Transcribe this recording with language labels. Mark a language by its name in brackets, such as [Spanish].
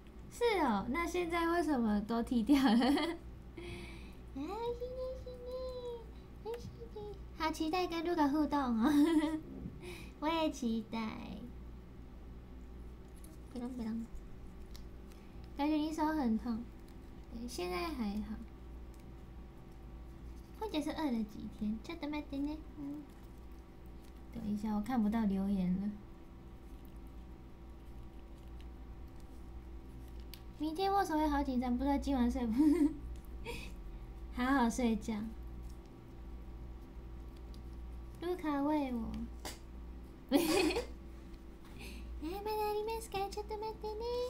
[Chinese] 是哦，那现在为什么都剃掉了？啊，新年新年，新年，好期待跟 Luca 互动哦！我也期待。别动，别动，感觉你手很痛，现在还好。或者是饿了几天， [Japanese] ちょっと待ってね。嗯。 [Chinese] 等一下，我看不到留言了。明天为什么会好紧张？不知道今晚睡不好好睡觉。卢卡喂我。哎，没得里面 sketch 都没得呢。